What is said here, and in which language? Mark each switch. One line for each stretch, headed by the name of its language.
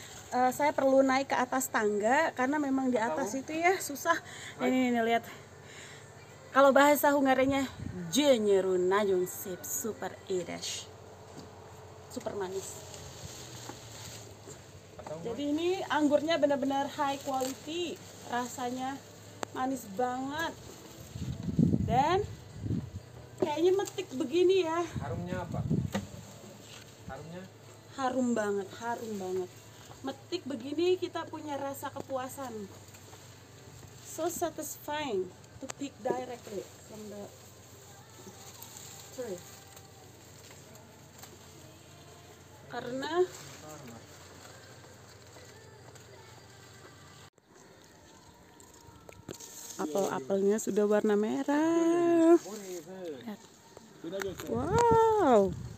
Indonesian: saya perlu naik ke atas tangga karena memang di atas itu ya susah. Ini lihat. Kalau bahasa Hungarianya
Hungarian: gyönyörű nagyon szép, super édes.
Indonesian: Super manis. Jadi ini anggurnya benar-benar
English: high quality,
Indonesian: rasanya manis banget. Dan kayaknya metik begini ya. Harumnya apa? Harumnya? Harum banget. Metik begini kita punya rasa kepuasan.
English: So satisfying to pick directly from the tree.
Indonesian: Karena apel-apelnya sudah warna merah. Wow.